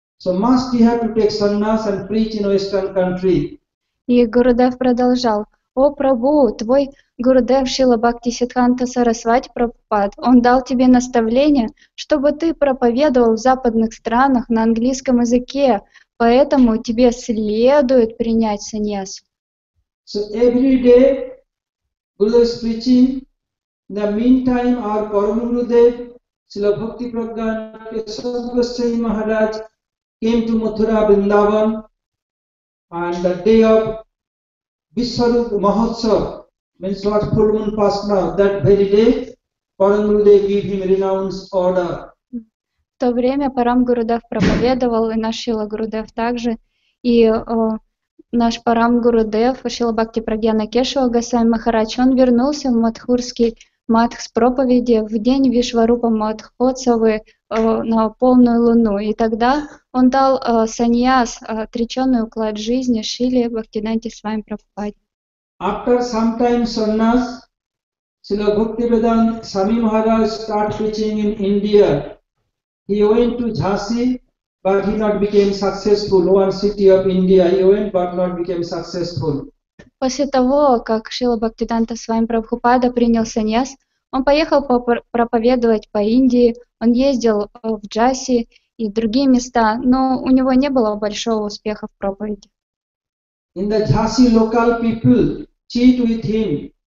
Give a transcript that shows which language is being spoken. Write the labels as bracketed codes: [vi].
[en] So must you have to take sannyas and preach in Western country. [ru] И Гурудев продолжал, О Прабху, твой Гурудев Шрила Бхакти Сиддханта Сарасвати Прабхупад, он дал тебе наставление, чтобы ты проповедовал в западных странах на английском языке, поэтому тебе следует принять саньясу. [en] So every day Gurudev is preaching. In the meantime, our Param Gurudev, Srila Bhakti Pragyan Keshava Goswami Maharaj, came to Mathura Vrindavan on the day of Vishwarup Mahotsav, means what full moon past now, that very day, Param Gurudev gave him renounce order. [ru] В то время Парам Гурудев проповедовал, и наш Шрила Гурудев также. И наш Парам Гурудев, Шрила Бхакти Прагьяна Кешава Госвами Махарадж, он вернулся в Матхурский Матх с проповеди в день Вишварупа Матхотсавы на полную луну. И тогда он дал саньяс, отреченный уклад жизни Шриле Бхактиданте Свами Прабхупаде. [en] After some time sannyas, Шрила Бхактивиданта Свами Махарадж start preaching in India. He went to Jhansi, but he not became successful. One city of India he went, but not became successful. [ru] После того, как Шрила Бхактиданта Свами Прабхупада принял саньяс, он поехал проповедовать по Индии, он ездил в Джаси и другие места, но у него не было большого успеха в проповеди. [en] In the Jhansi local people cheat with him.